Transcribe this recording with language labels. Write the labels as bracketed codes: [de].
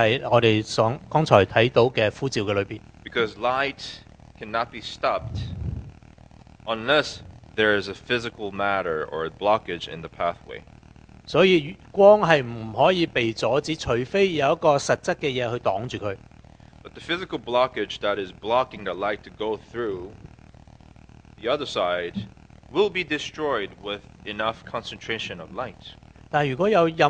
[zh] 所以我们被神所呼召的人不再坐在黑暗里面，好像是我们刚才看到的呼召的里面。 [en] Because light cannot be stopped unless there is a physical matter or a blockage in the pathway. [zh] 所以光是不可以被阻止，除非有一个实质的东西去挡住它。 [en] But the physical blockage that is blocking the light to go through the other side will be destroyed with enough concentration of light.